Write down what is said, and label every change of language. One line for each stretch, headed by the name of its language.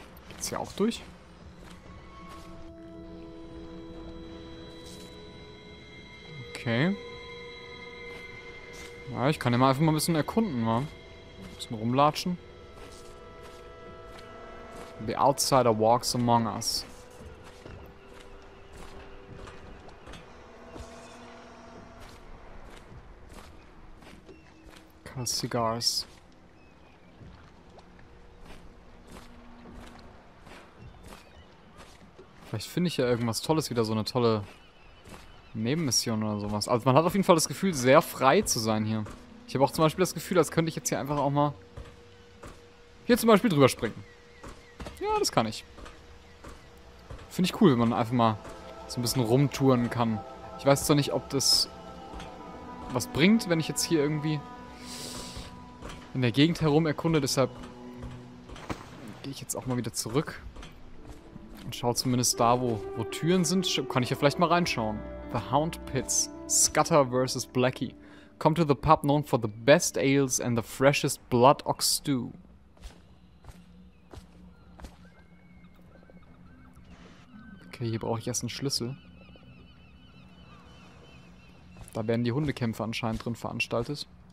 German: Geht's hier auch durch? Okay. Ja, ich kann ja mal einfach mal ein bisschen erkunden, wa? Ein bisschen rumlatschen.
English: The Outsider walks among us. Cut cigars.
German: Vielleicht finde ich ja irgendwas Tolles, wieder so eine tolle Nebenmission oder sowas. Also man hat auf jeden Fall das Gefühl, sehr frei zu sein hier. Ich habe auch zum Beispiel das Gefühl, als könnte ich jetzt hier einfach auch mal hier zum Beispiel drüber springen. Ja, das kann ich. Finde ich cool, wenn man einfach mal so ein bisschen rumtouren kann. Ich weiß zwar nicht, ob das was bringt, wenn ich jetzt hier irgendwie in der Gegend herum erkunde. Deshalb gehe ich jetzt auch mal wieder zurück und schaue zumindest da, wo Türen sind. Kann ich ja vielleicht mal reinschauen.
English: The Hound Pits. Scutter versus Blackie. Come to the pub known for the best ales and the freshest blood ox stew.
German: Okay, hier brauche ich erst einen Schlüssel. Da werden die Hundekämpfe anscheinend drin veranstaltet.